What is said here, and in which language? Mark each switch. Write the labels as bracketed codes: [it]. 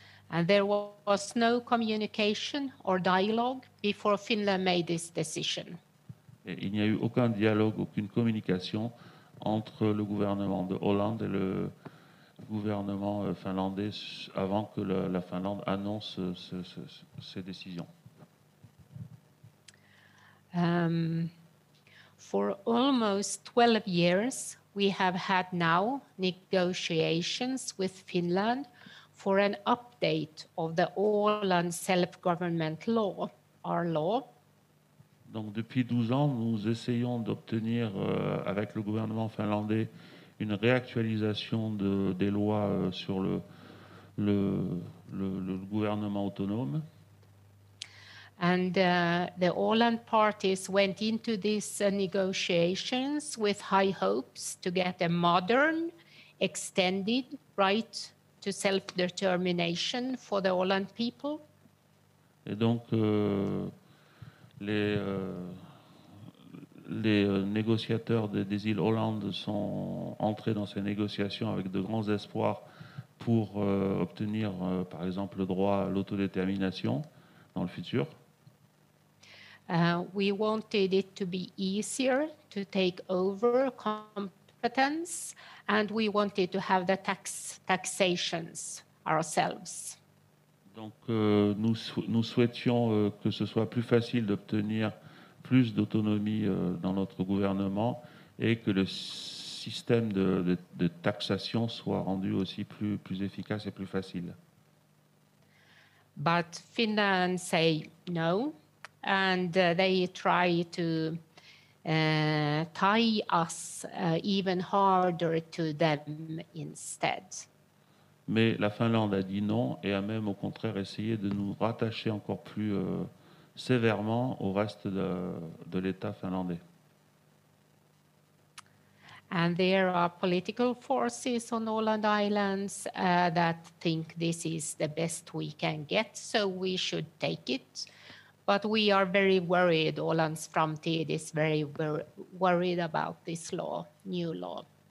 [en] And there was no communication or dialogue before Finland made this decision. [fr] Et il n'y a eu aucun dialogue, aucune communication entre le gouvernement de Åland et le gouvernement finlandais avant que la Finlande annonce ces décisions. [en] For almost 12 years, we have had now negotiations with Finland for an update of the Åland self-government law, our law. [fr] Donc depuis 12 ans, nous essayons d'obtenir avec le gouvernement finlandais une réactualisation des lois sur le gouvernement autonome. [en] And the Åland parties went into these negotiations with high hopes to get a modern, extended right to self-determination for the Åland people. [fr] Et donc, les négociateurs des îles Åland sont entrés dans ces négociations avec de grands espoirs pour obtenir, par exemple, le droit à l'autodétermination dans le futur. [en] We wanted it to be easier to take over competence, and we wanted to have the taxations ourselves. [fr] Donc, nous souhaitions que ce soit plus facile d'obtenir plus d'autonomie dans notre gouvernement et que le système de taxation soit rendu aussi plus efficace et plus facile. [en] But Finland say no. And they try to tie us even harder to them instead. [fr] Mais la Finlande a dit non et a même au contraire essayé de nous rattacher encore plus sévèrement au reste de l'État finlandais. [en] And there are political forces on Åland Islands that think this is the best we can get, so we should take it. But we are very worried, Åland's Framtid is very worried about this law, new law.